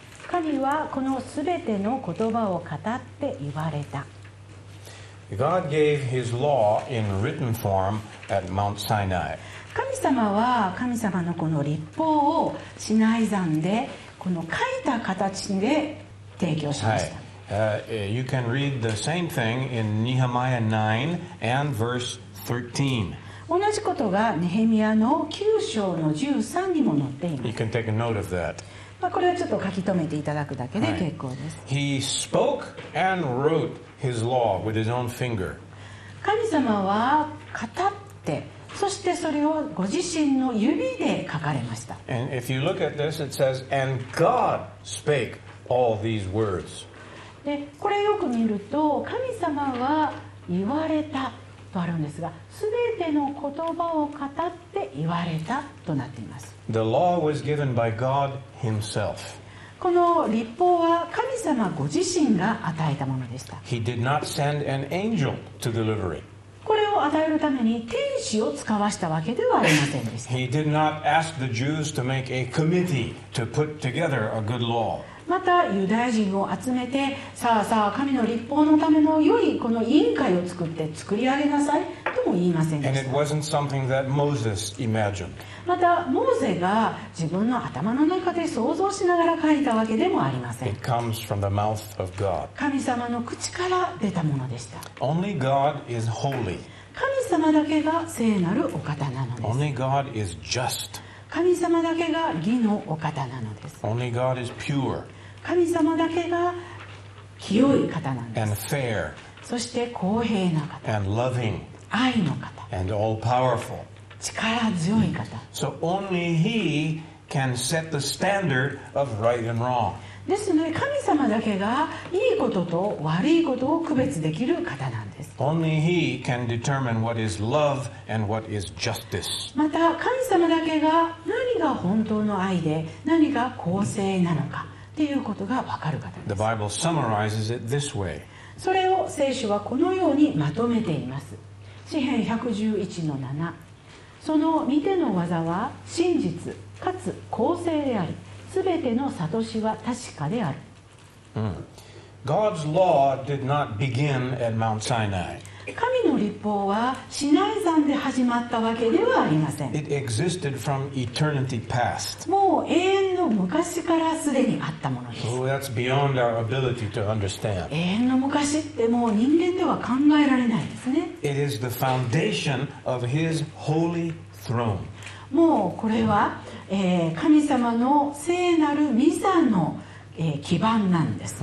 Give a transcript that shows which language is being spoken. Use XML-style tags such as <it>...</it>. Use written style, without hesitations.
<ja>神はこのすべての言葉を語って言われた。</ja> <en>God gave his law in written form at Mount Sinai.</en> <ja>神様は神様のこの律法をシナイ山でこの書いた形で提供しました。はい。</ja> <en>You can read the same thing in Nehemiah 9 and verse 13.</en> <ja>同じことがネヘミヤの9章の13にも載っています。</ja> <en>You can take a note of that.</en> <ja>まあこれはちょっと書き留めていただくだけで結構です。</ja> <en>He spoke and wrote his law with his own finger.</en> <ja>神様は語って、そしてそれをご自身の指で書かれました。</ja> <en>And if you look at this, it says, "And God spake all these words."</en> <ja>でこれよく見ると神様は言われたとあるんですが、すべての言葉を語って言われたとなっています。</ja> <en>The law was given by God himself.</en> <ja>この律法は神様ご自身が与えたものでした。</ja> <en>He did not send an angel to deliver it.</en> <ja>これを与えるために天使を使わしたわけではありませんでした。</ja> <en>He did not ask the Jews to make a committee to put together a good law.</en> <ja>またユダヤ人を集めて、さあさあ神の律法のための良いこの委員会を作って作り上げなさいとも言いませんでした。</ja> <en>And it wasn't something that Moses imagined.</en> <ja>またモーゼが自分の頭の中で想像しながら書いたわけでもありません。</ja> <en>It comes from the mouth of God.</en> <ja>神様の口から出たものでした。</ja> <en>Only God is holy.</en> <ja>神様だけが聖なるお方なのです。</ja> <en>Only God is just.</en> <ja>神様だけが義のお方なのです。</ja> <en>Only God is pure.</en> <ja>神様だけが清い方なんです。</ja> <en>And fair.</en> <ja>そして公平な方。</ja> <en>And loving.</en> <ja>愛の方。</ja> <en>And all powerful.</en> <ja>力強い方。</ja> <en>So only He can set the standard of right and wrong.</en> <ja>ですので神様だけがいいことと悪いことを区別できる方なんです。</ja> <en>Only He can determine what is love and what is justice.</en> <ja>また神様だけが何が本当の愛で何が公正なのかということが分かる方です。</ja> <en>The Bible summarizes it this way.</en> <ja>それを聖書はこのようにまとめています。詩篇 111-7 その御手の技は真実かつ公正であり、すべての諭しは確かである。</ja> <en>God's law did not begin at Mount Sinai.</en> <ja>神の律法はシナイ山で始まったわけではありません。</ja> <en>It existed from eternity past.</en> <ja>もう永遠の昔からすでにあったものです。</ja> <en>So that's beyond our ability to understand.</en> <ja>永遠の昔ってもう人間では考えられないですね。</ja> <en>It is the foundation of His holy throne.</en> <ja>もうこれは、神様の聖なる御座の基盤なんです。</ja>